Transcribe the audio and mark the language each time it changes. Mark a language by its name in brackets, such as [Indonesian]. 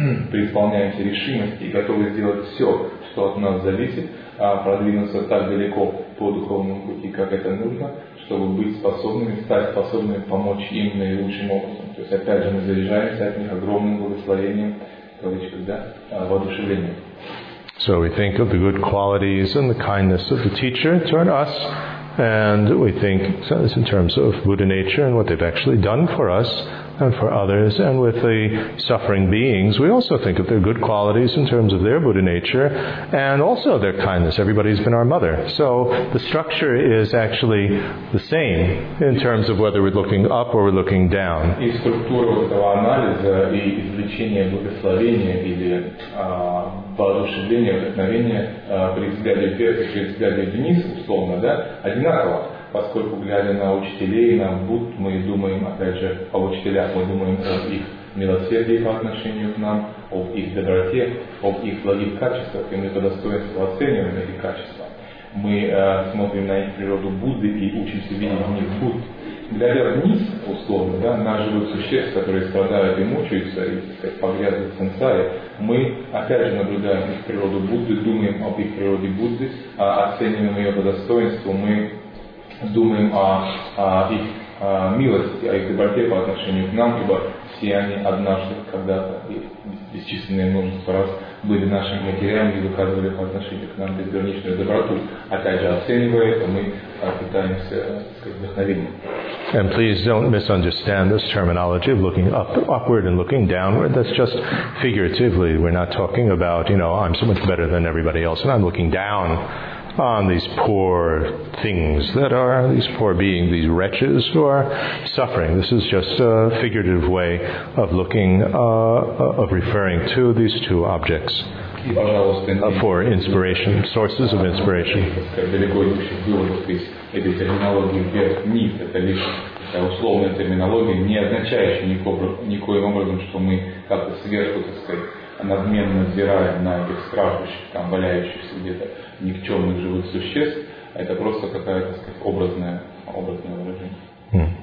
[Russian] преисполняемся решимости и готовы сделать все, что от нас зависит, продвинуться так далеко по духовному пути, как это нужно, чтобы быть способными, стать способными помочь им наилучшим образом. То есть, опять же, мы заряжаемся от них огромным благословением, кавычка, да, воодушевлением. [English] So we think of the good qualities and the kindness of the teacher toward us, and we think in terms of Buddha nature and what they've actually done for us and for others, and with the suffering beings, we also think of their good qualities in terms of their Buddha nature and also their kindness. Everybody's been our mother. So the structure is actually the same in terms of whether we're looking up or we're looking down. [Russian] И структура этого анализа и извлечения благословения или воодушевления, вдохновения при взгляде вверх и при взгляде вниз, условно, да, одинаково. Поскольку, глядя на учителей, на Будд, мы думаем, опять же, о учителях, мы думаем об их милосердии по отношению к нам, об их доброте, об их благих качествах, и мы по достоинству оцениваем эти качества. Мы смотрим на их природу Будды и учимся видеть в них Будд. Глядя вниз, условно, да, на живых существ, которые страдают и мучаются, и, так сказать, погрязли в сансаре, мы, опять же, наблюдаем их природу Будды, думаем об их природе Будды, оцениваем ее по достоинству, мы думаем о их милости, о их доброте по отношению к нам, ибо все они однажды, когда-то, и бесчисленное множество раз, были нашими матерями и выказывали по отношению к нам безграничную доброту. Опять же, оценивая это, мы пытаемся, так сказать, вдохновением. [English] And please don't misunderstand this terminology of looking upward and looking downward. That's just figuratively. We're not talking about, you know, I'm so much better than everybody else and I'm looking down on these poor things that are, these poor beings, these wretches who are suffering. This is just a figurative way of looking, of referring to these two objects for inspiration, sources of inspiration. [Russian] Этой терминологии вверх вниз, это лишь условная терминология, не означающая никоим образом, что мы как-то сверху, так сказать, надменно взираем на этих страждущих, там валяющихся где-то никчемных живых существ. Это просто какая-то, так сказать, образное выражение.